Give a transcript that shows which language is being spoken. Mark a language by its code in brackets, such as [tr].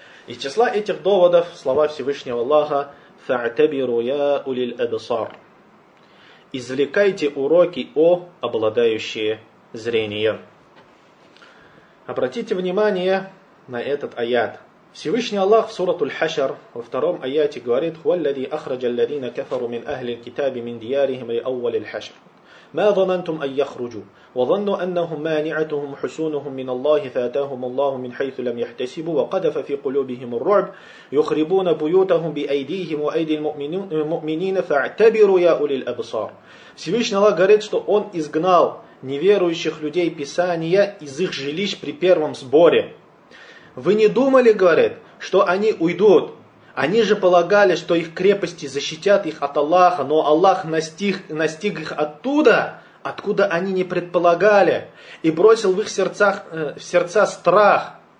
[ru] Из числа этих доводов слова Всевышнего Аллаха [ar] «Фа'табиру я улиль абисар» [ru] – «Извлекайте уроки, о обладающие зрением». Обратите внимание на этот аят. Всевышний Аллах в сурату Аль-Хашр во втором аяте говорит: [ar] «Хуалляди ахраджа ллядина кафару мин ахли ль-китаби мин диярихим ли аввали ль-хашр». «Ма ظننتم أن يخرجوا وظنوا أنهم مانعتهم حصونهم من الله فأتاهم الله من حيث لم يحتسبوا وقذف في قلوبهم الرعب يخربون بيوتهم بأيديهم وأيدي المؤمنين فاعتبروا يا أولي الأبصار». [ru] Всевышний Аллах говорит, что Он изгнал неверующих людей Писания из их жилищ при первом сборе. «Вы не думали, — говорит, — что они уйдут? Они же полагали, что их крепости защитят их от Аллаха, но Аллах настиг их оттуда, откуда они не предполагали, и бросил в их сердца страх.